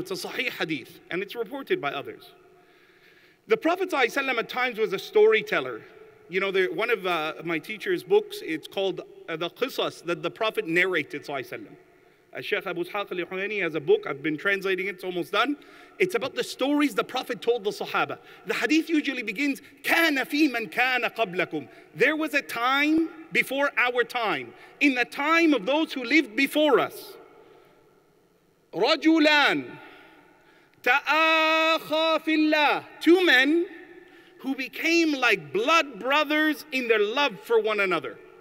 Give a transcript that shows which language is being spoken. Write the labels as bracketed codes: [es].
[en] It's a sahih hadith, and it's reported by others. The Prophet ﷺ at times was a storyteller. You know, one of my teacher's books, it's called The Qisas, that the Prophet narrated, sallallahu alayhi wa sallam. Sheikh Abu Ishaq al-Huwaini has a book, I've been translating it, it's almost done. It's about the stories the Prophet told the Sahaba. The hadith usually begins, [ar] كَانَ فِي مَنْ كَانَ قَبْلَكُمْ. [en] There was a time before our time, in the time of those who lived before us. [ar] رَجُلَانَ تآخى في الله. [en] Two men who became like blood brothers in their love for one another.